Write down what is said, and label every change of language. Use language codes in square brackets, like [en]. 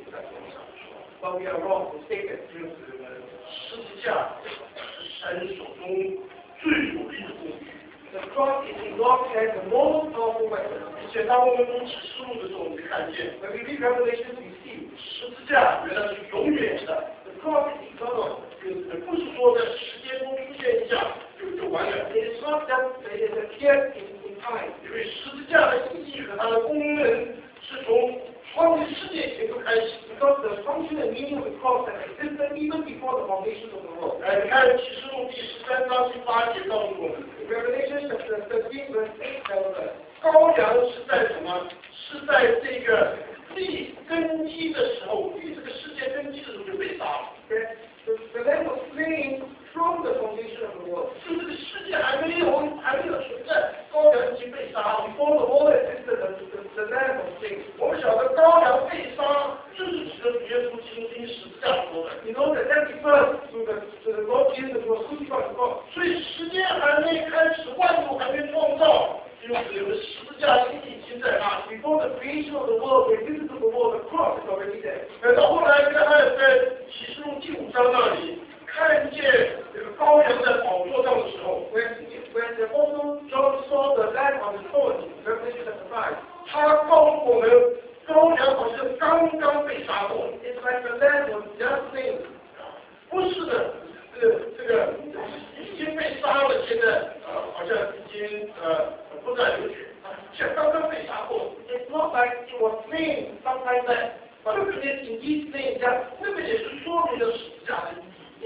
[zh] 不在同上说 [en] ，But we are wrong to say that. [zh] 就是十字架是神手中最有力的工具。 [en] The cross is in God's hand the most powerful weapon. 而且当我们读启示录的时候，我们看见 ，When we read Revelation, we see [zh] 十字架原来是永远的。 [en] The cross is eternal. [zh] 就不是说在时间中出现一下就完了。 [en] It is not that it is appeared in time. [zh] 因为十字架的意义和它的功能是从创立世界前就开始。 [en] Because the function and meaning of the cross has existed even before the foundation of the world. [zh] 来看启示录第十三章第八节告诉我们。 [en] Revelation chapter 13 verse 8 tells us, [zh] 羔羊是在什么？是在这个地根基的时候，地这个世界根基的时候就被杀了。 [en] The lamb was slain from the foundation of the world. [zh] 就这个世界还没有存在，羔羊已经被杀了。 [en] Before the world existed, the lamb was slain. [zh] 我们晓得羔羊被杀，就是指着耶稣基督钉十字架说的。 [en] You know that that refers to the Lord Jesus who was crucified on the cross. [zh] 所以时间还没开始，万物还没创造，就是有了十字架的意义已经在那。 [en] Before the creation of the world, the invisible world, the cross is already there. [zh] 到后来约翰在启示录第五章那里看见这个羔羊在宝座上的时候 ， [en] When the Apostle John saw the Lamb on the throne, Revelation chapter 5, [zh] 他告诉我们。羔羊好像刚刚被杀过。 [en] It's like the lamb was just slain. [zh] 不是的，这个已经被杀了，现在好像已经不再流血，像刚刚被杀过。 [en] It's not like it was slain sometime back, but it is indeed slain. [zh] 那个也是说明了十字架的意义。